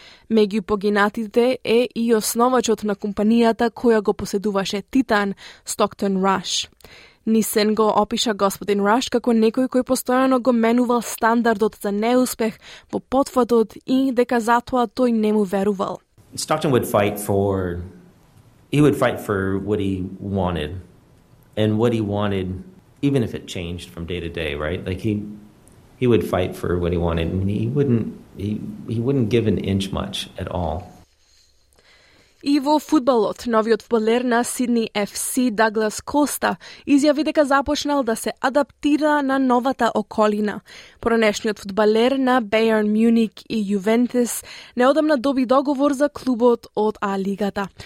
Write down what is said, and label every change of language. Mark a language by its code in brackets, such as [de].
[mk] Меѓу погинатите е и основачот на компанијата која го поседуваше Титан, Стоктон Раш. Нисен го опиша господин Раш како некој кој постојано го менувал стандардот за неуспех во потфатот и дека затоа тој не му верувал. [en] Stockton would fight for, he would fight for what he wanted, and what he wanted, even if it changed from day to day, right? Like he would fight for what he wanted, and he wouldn't give an inch much at all. [mk] И во фудбалот, новиот фудбалер на Сидни FC Даглас Коста изјави дека започнал да се адаптира на новата околина. Поранешниот фудбалер на Бејерн Мюник и Ювентус неодамна доби договор за клубот од А лигата.